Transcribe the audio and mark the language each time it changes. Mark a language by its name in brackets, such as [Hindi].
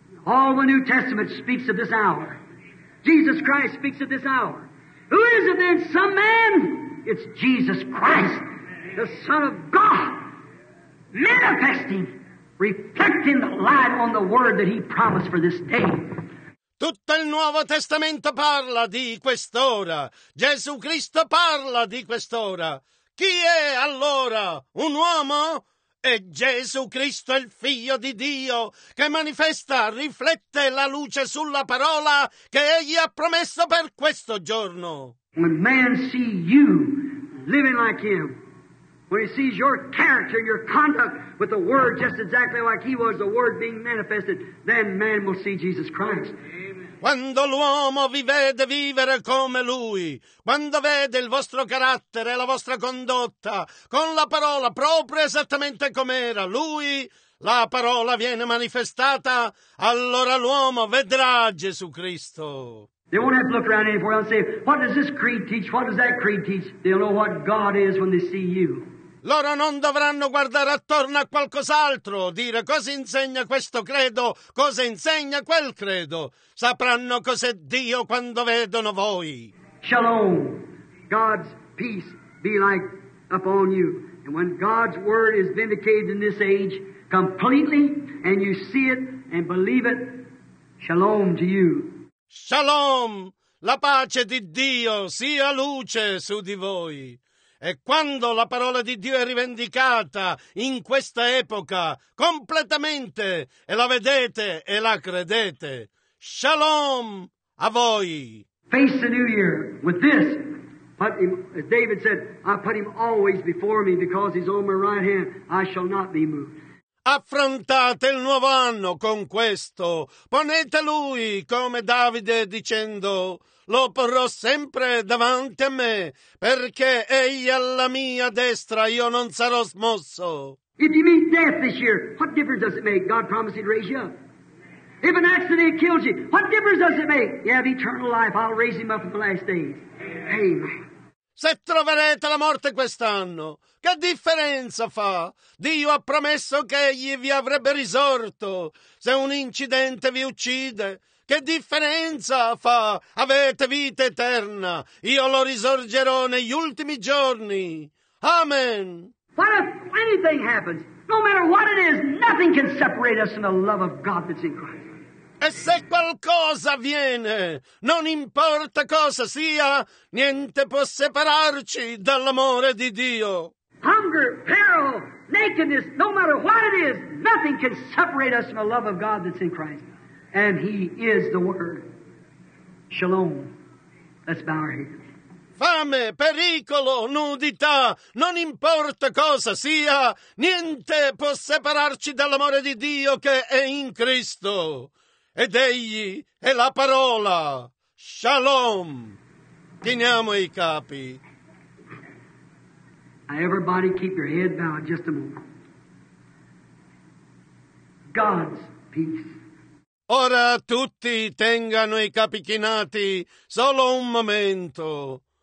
[English] All the New Testament speaks of this hour. Jesus Christ speaks of this hour. Who is it then? Some man? It's Jesus Christ, the Son of God, manifesting, reflecting the light on the word that He promised for this day. [Italian] Tutto il Nuovo Testamento parla di quest'ora. Gesù Cristo parla di quest'ora. Chi è allora? Un uomo? È Gesù Cristo, il Figlio di Dio, che manifesta, riflette la luce sulla parola che Egli ha promesso per questo giorno. [English] When man see you living like him, when he sees your character, your conduct with the Word just exactly like he was, the Word being manifested, then man will see Jesus Christ. [Italian] Quando l'uomo vi vede vivere come Lui, quando vede il vostro carattere e la vostra condotta, con la parola proprio esattamente come era Lui, la parola viene manifestata, allora l'uomo vedrà Gesù Cristo. [English] They won't have to look around anywhere and say, what does this creed teach, what does that creed teach? They'll know what God is when they see you. [Italian] Loro non dovranno guardare attorno a qualcos'altro, dire cosa insegna questo credo, cosa insegna quel credo. Sapranno cos'è Dio quando vedono voi. [English] Shalom. God's peace be like upon you. And when God's word is vindicated in this age completely, and you see it and believe it, shalom to you. Shalom. [Italian] La pace di Dio sia luce su di voi. E quando la parola di Dio è rivendicata in questa epoca completamente e la vedete e la credete, shalom a voi. [English] Face the new year with this. Put him, David said, I put him always before me because he's on my right hand. I shall not be moved. [Italian] Affrontate il nuovo anno con questo. Ponete lui come Davide dicendo, lo porrò sempre davanti a me, perché egli alla mia destra, io non sarò smosso. [English] If you meet death this year, what difference does it make? God promised He'd raise you up. If an accident kills you, what difference does it make? You have eternal life, I'll raise him up in the last days. Amen. [Italian] Se troverete la morte quest'anno, che differenza fa? Dio ha promesso che egli vi avrebbe risorto. Se un incidente vi uccide, che differenza fa? Avete vita eterna. Io lo risorgerò negli ultimi giorni. Amen. [English] What if anything happens, no matter what it is, nothing can separate us from the love of God that's in Christ. [Italian] E se qualcosa avviene, non importa cosa sia, niente può separarci dall'amore di Dio. [English] Hunger, peril, nakedness, no matter what it is, nothing can separate us from the love of God that's in Christ. And He is the Word. Shalom. Let's bow our heads. [Italian] Fame, pericolo, nudità, non importa cosa sia, niente può separarci dall'amore di Dio che è in Cristo. Ed Egli è la parola. Shalom. Chiniamo i capi. [English] Everybody keep your head bowed just a moment. God's peace. [Italian] Ora tutti tengano i capi chinati solo un momento.